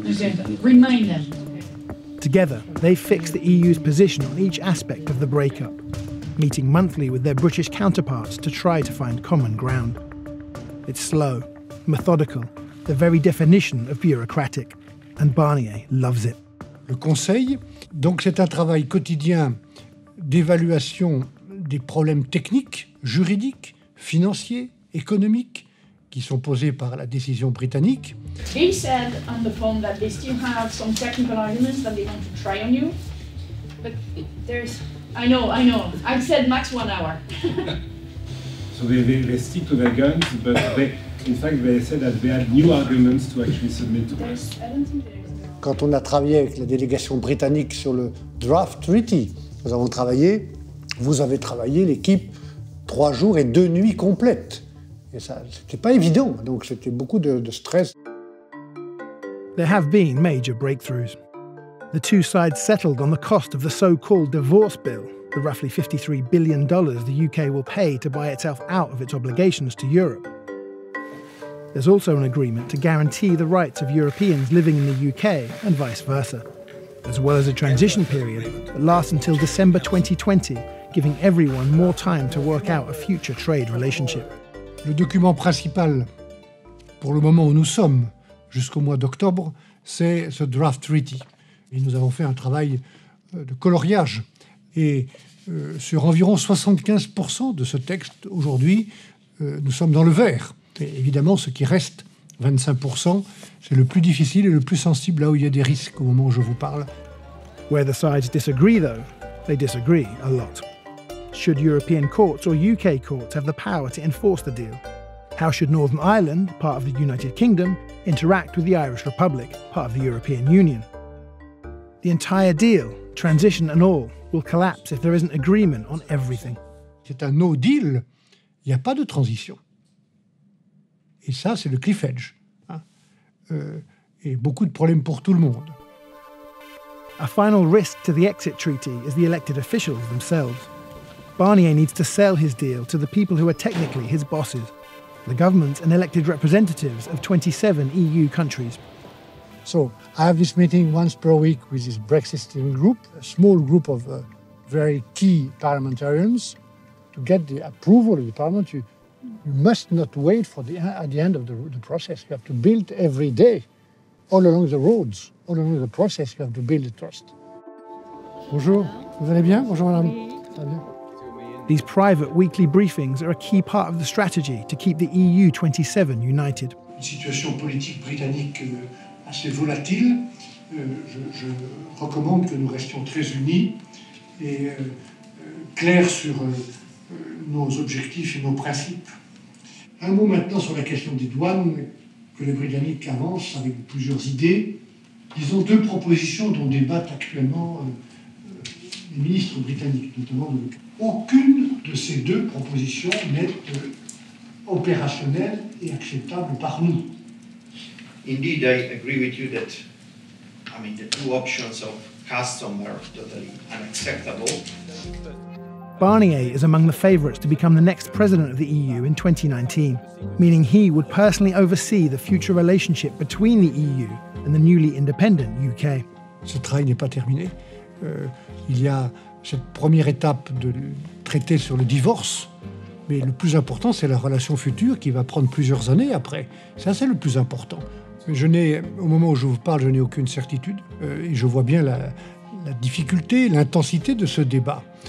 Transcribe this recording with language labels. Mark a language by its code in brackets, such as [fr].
[en] received anything. Remind them. Together, they fix the EU's position on each aspect of the breakup, meeting monthly with their British counterparts to try to find common ground. It's slow, methodical, the very definition of bureaucratic, and Barnier loves it. [fr] Le Conseil, donc c'est un travail quotidien d'évaluation des problèmes techniques, juridiques, financiers, économiques, qui sont posés par la décision britannique. [en] He said on the phone that they still have some technical arguments that they want to try on you. But there's... I know. I've said max 1 hour. So they stick to their guns, but in fact they said that they had new arguments to actually submit to us. [fr] Quand on a travaillé avec la délégation britannique sur le draft treaty, nous avons travaillé, vous avez travaillé, l'équipe, 3 jours et 2 nuits complètes. Et ça, c'était pas évident, donc c'était beaucoup de stress. [en] There have been major breakthroughs. The two sides settled on the cost of the so-called divorce bill, the roughly $53 billion the UK will pay to buy itself out of its obligations to Europe. There's also an agreement to guarantee the rights of Europeans living in the UK and vice versa, as well as a transition period that lasts until December 2020, giving everyone more time to work out a future trade relationship. [fr] Le document principal pour le moment où nous sommes jusqu'au mois d'octobre, c'est ce draft treaty. Et nous avons fait un travail de coloriage Et sur environ 75% de ce texte, aujourd'hui, nous sommes dans le vert. Et évidemment, ce qui reste, 25%, c'est le plus difficile et le plus sensible là où il y a des risques au moment où je vous parle. [en] Where the sides disagree, though, they disagree a lot. Should European courts or UK courts have the power to enforce the deal? How should Northern Ireland, part of the United Kingdom, interact with the Irish Republic, part of the European Union? The entire deal, transition and all, will collapse if there isn't agreement on everything. [fr] C'est un no deal. Il n'y a pas de transition. Et ça, c'est le cliff edge. Et beaucoup de problèmes pour tout le monde. [en] A final risk to the exit treaty is the elected officials themselves. Barnier needs to sell his deal to the people who are technically his bosses, the government and elected representatives of 27 EU countries. So I have this meeting once per week with this Brexit steering group, a small group of very key parliamentarians. To get the approval of the parliament, you must not wait for at the end of the process. You have to build every day, all along the roads, all along the process, you have to build the trust. [fr] Bonjour, vous allez bien? Bonjour, madame. Ça va bien? [en] These private weekly briefings are a key part of the strategy to keep the EU 27 united. [fr] Une situation politique britannique assez volatile. Je recommande que nous restions très unis et clairs sur nos objectifs et nos principes. Un mot maintenant sur la question des douanes que les Britanniques avancent avec plusieurs idées. Ils ont deux propositions dont débattent actuellement les ministres britanniques, notamment le. Aucune de ces deux propositions n'est opérationnelle et acceptable par nous. [en] Indeed, I agree with you that, I mean, the two options of custom are totally unacceptable. Barnier is among the favourites to become the next president of the EU in 2019, meaning he would personally oversee the future relationship between the EU and the newly independent UK. [fr] Ce travail n'est pas terminé. Il y a cette première étape de traité sur le divorce, mais le plus important, c'est la relation future qui va prendre plusieurs années après. Ça, c'est le plus important. Je n'ai, au moment où je vous parle, je n'ai aucune certitude. Et je vois bien la difficulté, l'intensité de ce débat.